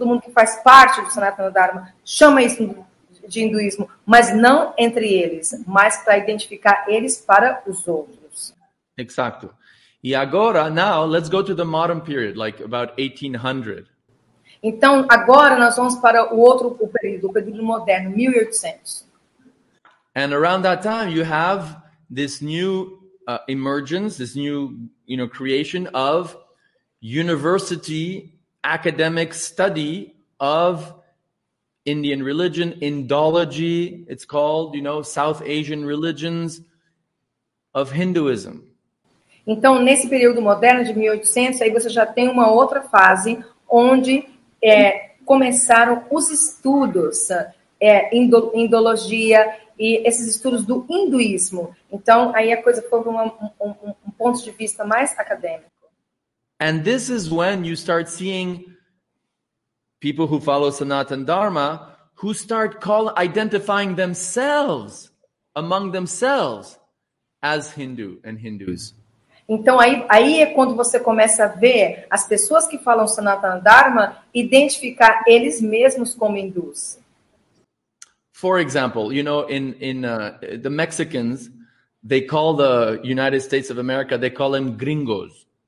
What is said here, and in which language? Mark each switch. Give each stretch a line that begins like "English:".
Portuguese: Todo mundo que faz parte do Sanatana Dharma chama isso de hinduísmo, mas não entre eles, mas para identificar eles para os outros. Exato. E agora,
English: now, let's go to the modern period, like about 1800.
Portuguese: Então, agora nós vamos para o período moderno, 1800.
English: And around that time, you have this new emergence, this new, you know, creation of university academic study of Indian religion, Indology, it's called, you know, South Asian religions of Hinduism.
Portuguese: Então, nesse período moderno de 1800, aí você já tem uma outra fase onde começaram os estudos, Indologia e esses estudos do hinduísmo. Então, aí a coisa foi para um ponto de vista mais acadêmico.
English: And this is when you start seeing people who follow Sanatana Dharma who start identifying themselves among themselves as Hindu and Hindus.
Portuguese: Então, aí é quando você começa a ver as pessoas que falam Sanatana Dharma identificar eles mesmos como hindus.
English: For example, you know, in the Mexicans, they call the United States of America, they call them gringos.